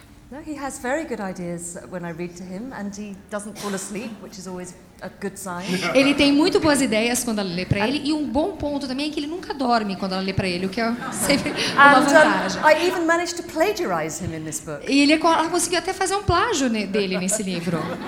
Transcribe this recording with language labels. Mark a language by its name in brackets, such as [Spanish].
[English] No, he has very good ideas when I read to him, and he doesn't fall asleep, which is always a good sign. [Portuguese] Ele tem muito boas ideias quando ela lê para ele, e um bom ponto também é que ele nunca dorme quando ela lê para ele, o que é sempre uma vantagem. [English] I even managed to plagiarize him in this book. [Portuguese] E ela conseguiu até fazer um plágio dele nesse livro.